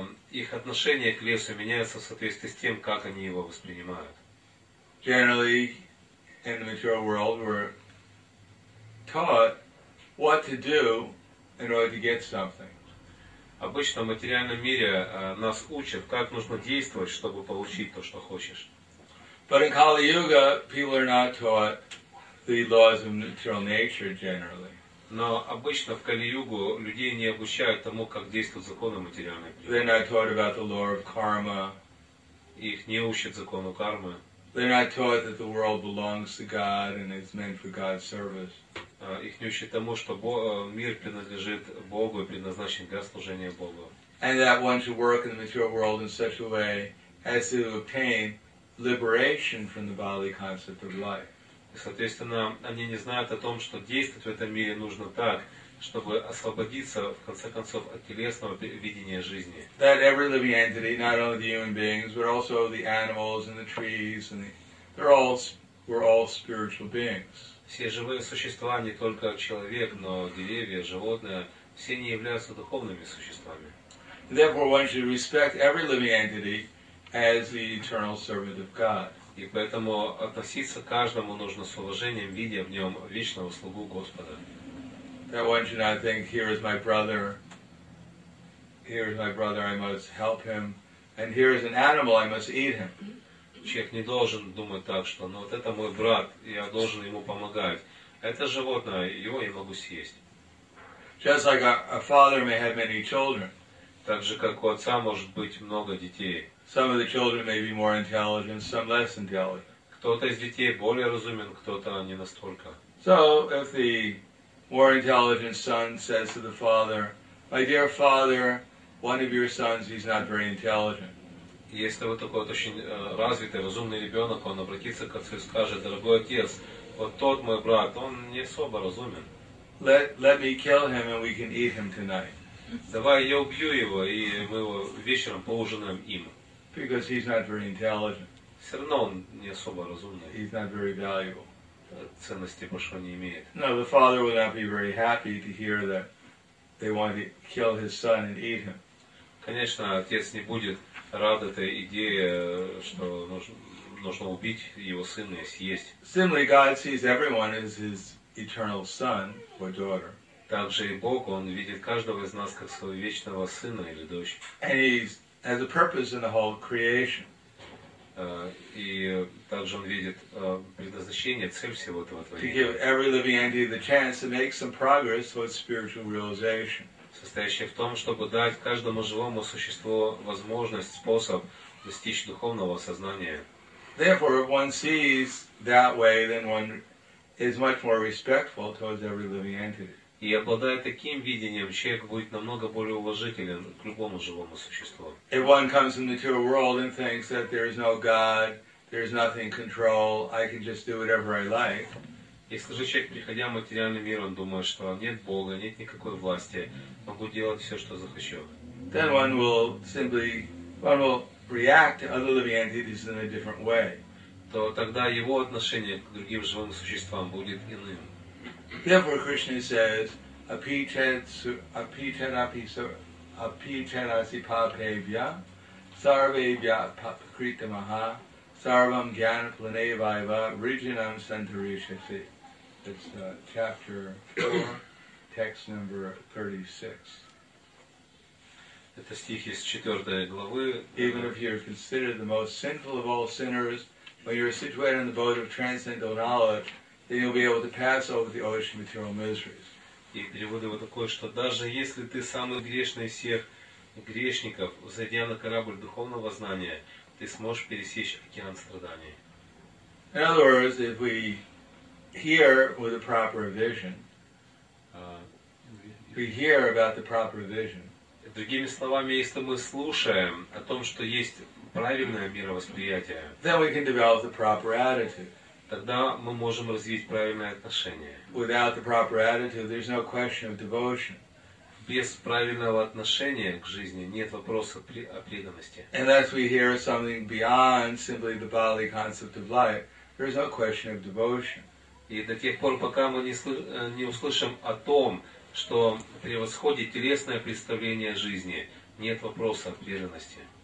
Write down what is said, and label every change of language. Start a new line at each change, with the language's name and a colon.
Russian: Их отношение к лесу меняется в соответствии с тем, как они его воспринимают.
English: Generally, in the material world, we're taught what to do in order to get something.
Russian: Обычно в материальном мире нас учат, как нужно действовать, чтобы получить то, что хочешь.
English: But in Kali Yuga, people are not taught the laws of material nature generally.
Russian: Но обычно в Кали-Югу людей не обучают тому, как действуют законы материальной природы.
English: They're not taught about the law of karma.
Russian: Их не учат закону кармы.
English: They're not taught that the world belongs to God and is meant for God's service.
Russian: Их не учат тому, что мир принадлежит Богу и предназначен для служения Богу.
English: And that one should work in the material world in such a way as to obtain liberation from the bodily concept of life.
Russian: И, соответственно, они не знают о том, что действовать в этом мире нужно так, чтобы освободиться, в конце концов, от телесного видения жизни.
English: That every living entity, not only the human beings, but also the animals and the trees, and we're all spiritual beings.
Russian: Все живые существа, не только человек, но деревья, животные, все они являются духовными существами.
English: Therefore, one should respect every living entity as the eternal servant of God.
Russian: И поэтому относиться к каждому нужно с уважением, видя в нем вечного слугу Господа.
English: That one should not think, here is my brother. Here is my brother, I must help him. And here is an animal, I must eat him.
Russian: Человек не должен думать так, что, ну вот это мой брат, я должен ему помогать. Это животное, его я могу съесть.
English: Just like a father may have many children.
Russian: Так же, как у отца может быть много детей.
English: Some of the children may be more intelligent, some less intelligent.
Russian: Кто-то из детей более разумен, кто-то не настолько.
English: So, if the more intelligent son says to the father, my dear father, one of your sons, he's not very intelligent.
Russian: Если вот такой вот очень развитый, разумный ребенок, он обратится к отцу и скажет, дорогой отец, вот тот мой брат, он не особо разумен.
English: Let me kill him and we can eat him tonight.
Russian: Давай я убью его, и мы его вечером поужинаем им.
English: Because he's not very intelligent.
Russian: Все равно он не особо разумный.
English: He's not very valuable.
Russian: Ценности большого не имеет.
English: No, the father would not be very happy to hear that they want to kill his son and eat him.
Russian: Конечно, отец не будет рад этой идее, что нужно убить его сына и съесть.
English: Similarly, God sees everyone as his eternal son or daughter.
Russian: Также и Бог, он видит каждого из нас как своего вечного сына или дочь.
English: And he has a purpose in the whole creation.
Russian: И также он видит предназначение, цель всего этого творения.
English: To give every living entity the chance to make some progress towards spiritual realization.
Russian: Состоящее в том, чтобы дать каждому живому существу возможность, способ достичь духовного сознания.
English: Therefore, if one sees that way, then one is much more respectful towards every living entity.
Russian: И обладая таким видением, человек будет намного более уважителен к любому живому существу.
English: If one comes in the material world and thinks that there is no God, There's nothing control. I can just do whatever I like.
Russian: Если же человек, приходя в материальный мир, он думает, что нет Бога, нет никакой власти, могу делать все, что захочу.
English: Then one will react to other living entities in a different way.
Russian: То тогда его отношение к другим живым существам будет иным.
English: Therefore, Krishna says,
Sanskrit: apitanapisapitanasipapevya sarvevya papakritamaha sarvam gyanaplanevaiva rijanam santarishasi.
English: It's chapter 4, text number 36.
Russian: Это стих из 4 главы.
English: Even if you're considered the most sinful of all sinners, when you're situated in the boat of transcendental knowledge, then you'll be able to pass over the ocean of material miseries.
Russian: И перевод его такой, что даже если ты самый грешный из всех грешников, зайдя на корабль духовного знания, ты сможешь пересечь океан страданий.
English: In other words, if we hear with a proper vision, we hear about the proper vision.
Russian: Другими словами, если мы слушаем о том, что есть правильное мировосприятие,
English: then we can develop the proper attitude.
Russian: Тогда мы можем развить правильное отношение.
English: Without the proper attitude, there's no question of devotion.
Russian: Без правильного отношения к жизни нет вопроса о преданности.
English: Unless we hear something beyond simply the bodily concept of life, there's no question of devotion.
Russian: И до тех пор, пока мы не услышим о том, что превосходит телесное представление о жизни, нет вопроса о преданности.